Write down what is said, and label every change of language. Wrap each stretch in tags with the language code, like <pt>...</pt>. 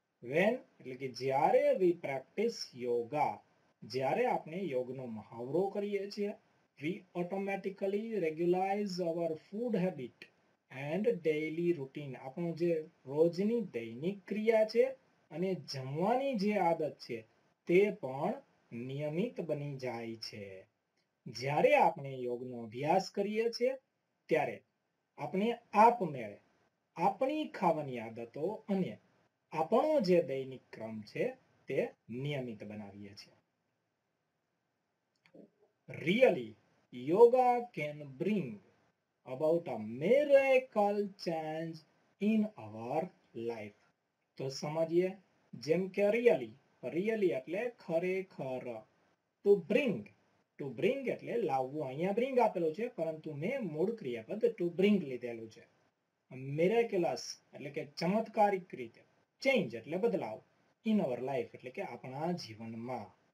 <gu>Van એટલે કે જ્યારે</gu> <en>we practice yoga,</en> <gu>જ્યારે આપણે યોગનો મહાવરો કરીએ છીએ,</gu> <en>we automatically regularise our food habit and daily routine</en> <gu>આપણું જે રોજની દૈનિક ક્રિયા છે અને જમવાની જે આદત છે તે પણ નિયમિત બની જાય છે. જ્યારે આપણે યોગનો અભ્યાસ કરીએ છીએ ત્યારે આપણે આપમેળે આપણી ખાવાની આદતો અને આપણો જે દૈનિક ક્રમ છે તે નિયમિત બનાવીએ છીએ.</gu> <en>Really, yoga can bring about a miracle change in our life.</en> <gu>તો સમજીએ, જેમ કે really, really એટલે ખરેખર, to bring, to bring એટલે લાવવું, અહીંયા bring આપેલો છે પરંતુ મેં મૂળ ક્રિયાપદ to bring લીધેલું છે. Miraculous એટલે કે ચમત્કારિક રીતે, change એટલે બદલાવ, in our life એટલે કે આપણા જીવનમાં.</gu>